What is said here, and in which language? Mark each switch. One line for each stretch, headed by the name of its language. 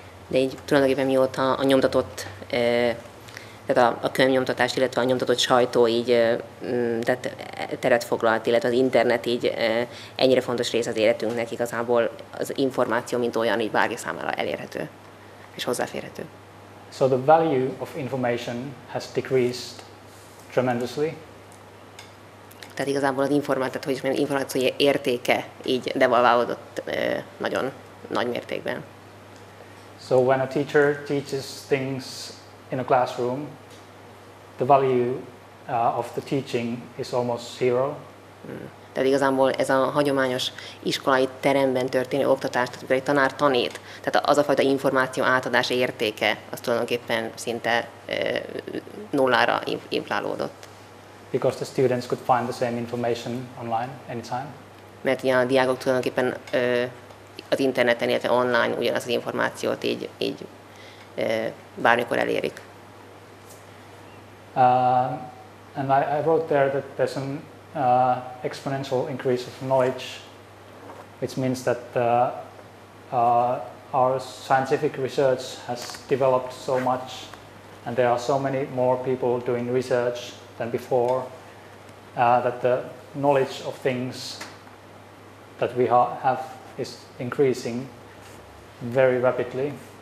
Hungarian: De így tulajdonképpen mióta a nyomtatott tehát a könyvnyomtatás, illetve a nyomtatott sajtó így tehát teret foglalt, illetve az internet így ennyire fontos rész az életünknek, igazából az információ mint olyan így bárki számára elérhető és hozzáférhető.
English: So the value of information has decreased tremendously.
Hungarian: Tehát igazából az információ értéke így devalválódott nagyon nagy mértékben.
English: So when a teacher teaches things in a classroom, the value of the teaching is almost zero.
Hungarian: Tehát igazából ez a hagyományos iskolai teremben történő oktatás, tehát egy tanár tanít, tehát az a fajta információ átadás értéke, az tulajdonképpen szinte nullára inflálódott.
English: Because the students could find the same information online anytime.
Hungarian: Mert ilyen a diákok tulajdonképpen az interneten, illetve online ugyanaz az információt így bármikor elérik.
English: And I wrote there that there's an exponential increase of knowledge, which means that our scientific research has developed so much, and there are so many more people doing research than before, that the knowledge of things that we have is increasing very rapidly.